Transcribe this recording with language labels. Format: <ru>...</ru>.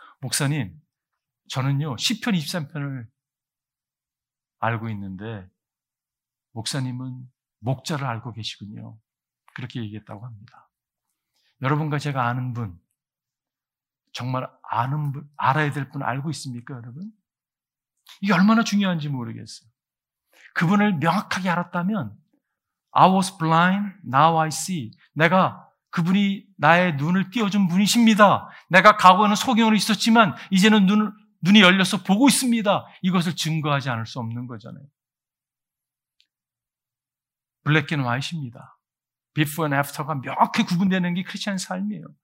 <ko>목사님, 저는요 시편 23편을 알고 있는데 목사님은 목자를 알고 계시군요. 그렇게 얘기했다고 합니다. 여러분과 제가 아는 분, 정말 아는 분, 알아야 될 분 알고 있습니까, 여러분? 이게 얼마나 중요한지 모르겠어요. 그분을 명확하게 알았다면</ko> <en>I was blind, now I see.</en> <ko>내가 그분이 나의 눈을 띄워준 분이십니다. 내가 과거에는 소경으로 있었지만 이제는 눈이 열려서 보고 있습니다. 이것을 증거하지 않을 수 없는 거잖아요. 블랙 앤 화이트입니다. Before and after가 명확히 구분되는 게 크리스찬 삶이에요.</ko>